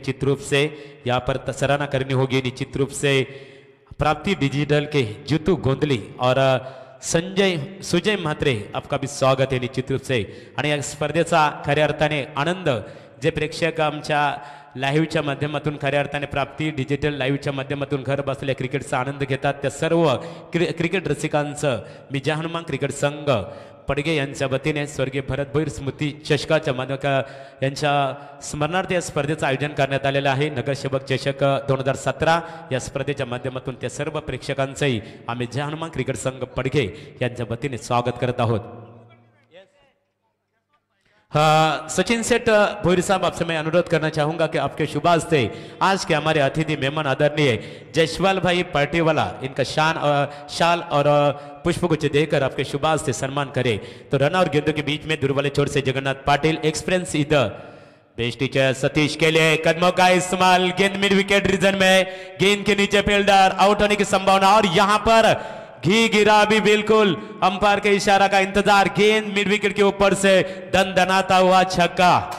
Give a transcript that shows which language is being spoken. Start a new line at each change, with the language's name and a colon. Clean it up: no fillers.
Hindi: निश्चित रूप से यहाँ पर सराहना करनी होगी निश्चित रूप से प्राप्ति डिजिटल के जीतू गोंदली और संजय सुजय म्हात्रे आपका भी स्वागत है निश्चित रूप से।
Marathi: आणि या स्पर्धेचा खऱ्या अर्थाने आनंद जे प्रेक्षक आमच्या लाईव्हच्या माध्यमातून खऱ्या अर्थाने प्राप्ती डिजिटल लाईव्हच्या माध्यमातून घर बसल्या क्रिकेटचा आनंद घेतात, त्या सर्व क्रिकेट रसिकांचं मी जहानुमान क्रिकेट संघ पडगे यांच्या वतीने स्वर्गीय भरत भोईर स्मृती चषकाच्या माध्यमातून यांच्या स्मरणार्थ या स्पर्धेचं आयोजन करण्यात आलेलं आहे। नगरसेवक चषक 2017 या स्पर्धेच्या माध्यमातून त्या सर्व प्रेक्षकांचंही आम्ही जहानुमान क्रिकेट संघ पडगे यांच्या वतीने स्वागत करत आहोत।
Hindi: सचिन सेठ भोईर साहब आपसे मैं अनुरोध करना चाहूंगा कि आपके शुभाष थे आज के हमारे अतिथि मेहमान आदरणीय जयशवाल भाई पार्टी वाला इनका शान शाल और पुष्पगुच्छ देकर आपके शुभाष से सम्मान करें। तो रन और गेंदों के बीच में दुर्वले छोर से जगन्नाथ पाटिल एक्सपीरियंस इधर बेस्ट टीचर सतीश के लिए कदमों का इस्तेमाल, गेंद मिड विकेट रीजन में, गेंद के नीचे फील्डर आउट होने की संभावना और यहां पर घी गिरा भी बिल्कुल, अंपायर के इशारा का इंतजार, गेंद मिड विकेट के ऊपर से दन दनाता हुआ छक्का।